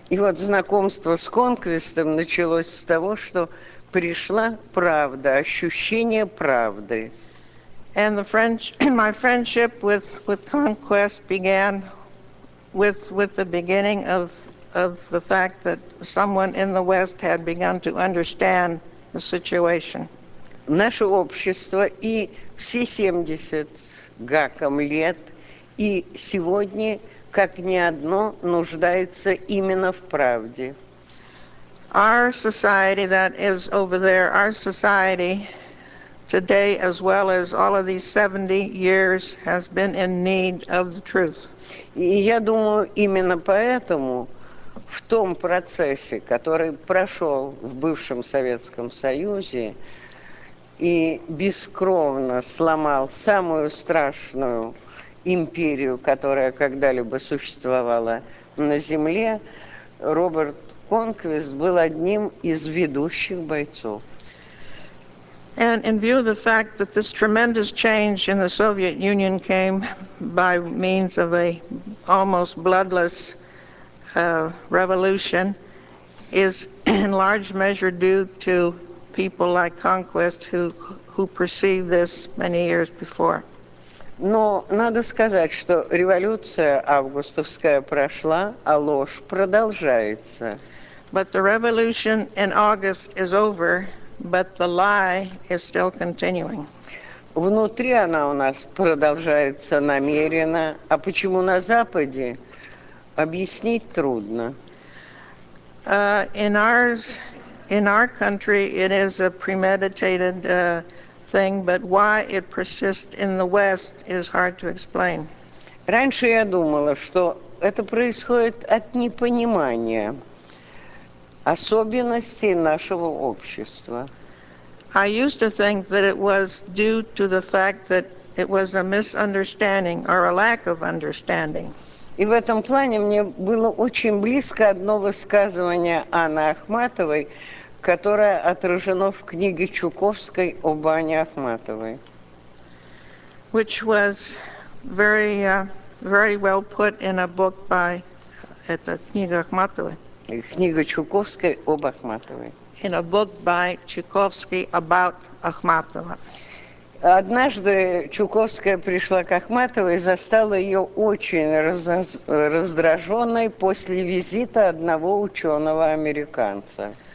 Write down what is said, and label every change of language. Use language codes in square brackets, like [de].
[ru] И вот знакомство с Конквистом началось с того, что пришла правда, ощущение правды. [en] And my friendship with Conquest began with the beginning of the fact that someone in the West had begun to understand the situation. [ru] Наше общество и все 70 с гаком лет, и сегодня, как ни одно, нуждается именно в правде. [en] Our society that is over there, our society today, as well as all of these 70 years, has been in need of the truth. [ru] И я думаю, именно поэтому в том процессе, который прошел в бывшем Советском Союзе, и бескровно сломал самую страшную империю, которая когда-либо существовала на Земле, Роберт Конквист был одним из ведущих бойцов. [en] And in view of the fact that this tremendous change in the Soviet Union came by means of a almost bloodless revolution, is in large measure due to people like Conquest who perceived this many years before. [ru] Но надо сказать, что революция августовская прошла, а ложь продолжается. [en] But the revolution in August is over, but the lie is still continuing. [ru] Внутри она у нас продолжается намеренно, а почему на Западе, объяснить трудно. [en] In our country, it is a premeditated thing, but why it persists in the West is hard to explain. [ru] Раньше я думала, что это происходит от непонимания особенностей нашего общества. [en] I used to think that it was due to the fact that it was a misunderstanding or a lack of understanding. [ru] И в этом плане мне было очень близко одно высказывание Анны Ахматовой, которое отражено в книге Чуковской о Бане Ахматовой. [en] Which was very very well put in a book by [ru] это книга Ахматовой. Книга Чуковской об Ахматовой. [en] In a book by Чуковский about Ахматова. [ru] Однажды Чуковская пришла к Ахматовой и застала ее очень раздраженной после визита одного ученого-американца.